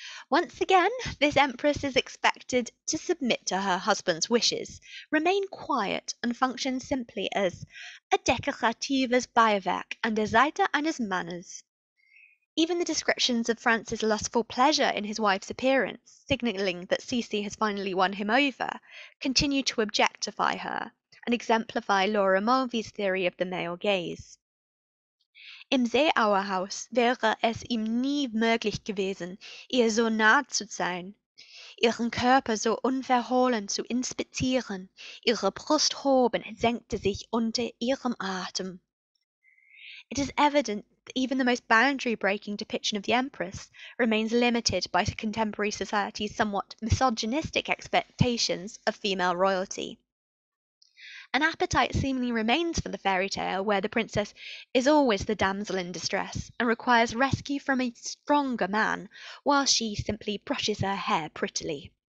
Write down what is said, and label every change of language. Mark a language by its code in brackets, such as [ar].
[en] Once again, this empress is expected to submit to her husband's wishes, remain quiet, and function simply as a [de] decoratives Beiwerk an der Seite eines Mannes. [en] Even the descriptions of France's lustful pleasure in his wife's appearance, signalling that Sisi has finally won him over, continue to objectify her and exemplify Laura Mulvey's theory of the male gaze. [de] Im Seeauerhaus wäre es ihm nie möglich gewesen, ihr so nah zu sein, ihren Körper so unverhohlen zu inspizieren, ihre Brust hob und senkte sich unter ihrem Atem. [en] It is evident that even the most boundary-breaking depiction of the Empress remains limited by contemporary society's somewhat misogynistic expectations of female royalty. An appetite seemingly remains for the fairy tale, where the princess is always the damsel in distress and requires rescue from a stronger man while she simply brushes her hair prettily.